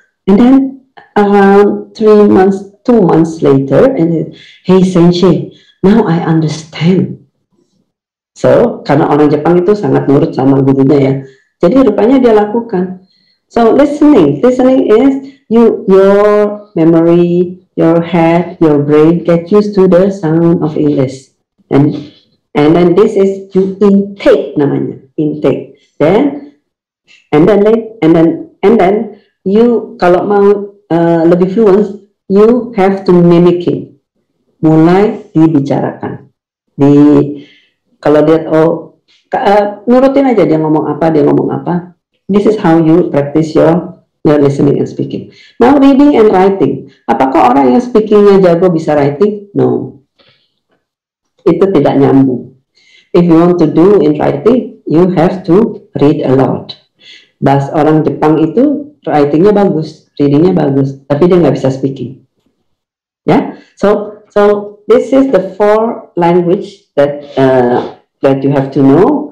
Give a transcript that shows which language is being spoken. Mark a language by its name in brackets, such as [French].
[English] And then around 3 months, 2 months later, and then, hey Senche, now I understand. [Indonesian] So, karena orang Jepang itu sangat nurut sama gurunya ya. Jadi rupanya dia lakukan. [English] So, listening is you, your memory, your head, your brain get used to the sound of English. And then this is you intake [Indonesian] namanya. [English] Intake. Then you [Indonesian] kalau mau lebih [English] fluent, you have to mimicking. [Indonesian] Mulai dibicarakan. Kalau dia nurutin aja dia ngomong apa. [English] This is how you practice your listening and speaking. Now reading and writing. [Indonesian] Apakah orang yang speakingnya jago bisa writing? No. Itu tidak nyambung. [English] If you want to do in writing, you have to read a lot. [Indonesian] Bahas orang Jepang itu writingnya bagus, readingnya bagus, tapi dia nggak bisa speaking. [English] Yeah. So this is the four language that that you have to know.